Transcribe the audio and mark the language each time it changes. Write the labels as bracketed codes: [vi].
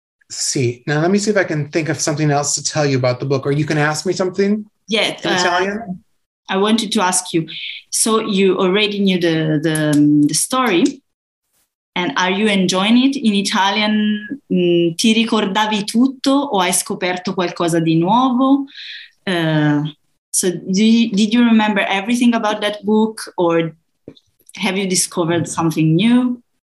[en] See, now let me see if I can think of something else to tell you about the book, or you can ask me something. Yeah, in Italian. I wanted to ask you. So you already knew the story, and are you enjoying it in Italian? [it] Ti ricordavi tutto o hai scoperto qualcosa di nuovo? [en] So did you remember everything about that book, or have you discovered something new?